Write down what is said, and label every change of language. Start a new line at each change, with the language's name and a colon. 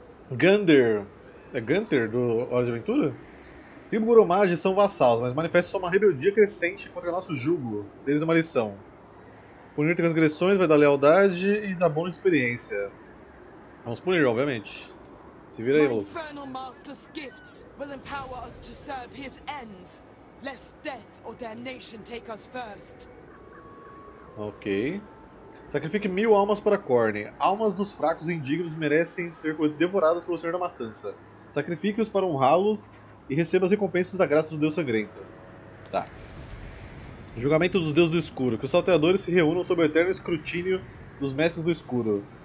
Portuguese: Gunther. É Gunther, do Hora de Aventura? Tribugoromage são vassalos, mas manifestam uma rebeldia crescente contra o nosso jugo. Deles uma lição. Punir transgressões vai dar lealdade e dar bônus de experiência. Vamos punir, obviamente. Se vira aí, louco.
English: Infernal Master's gifts will empower us to serve his ends, lest death or damnation take us first.
Portuguese: Ok. Sacrifique 1000 almas para Khorne. Almas dos fracos e indignos merecem ser devoradas pelo Senhor da Matança. Sacrifique-os para honrá-los e receba as recompensas da graça do Deus Sangrento. Tá. Julgamento dos Deuses do Escuro. Que os salteadores se reúnam sob o eterno escrutínio dos Mestres do Escuro.